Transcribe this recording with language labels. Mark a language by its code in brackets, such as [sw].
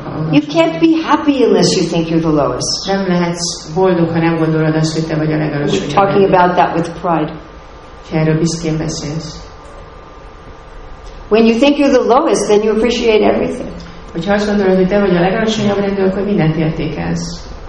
[en] you can't be happy unless you think you're the lowest. [hu] Nem lehetsz boldog, ha nem gondolod azt, hogy te vagy a legalacsonyabb. [en] We're talking about that with pride. [hu] Erről büszkén beszélsz. [en] When you think you're the lowest, then you appreciate everything. [hu] Hogyha azt gondolod, hogy te vagy a legalacsonyabb rendő, akkor mindent értékelsz.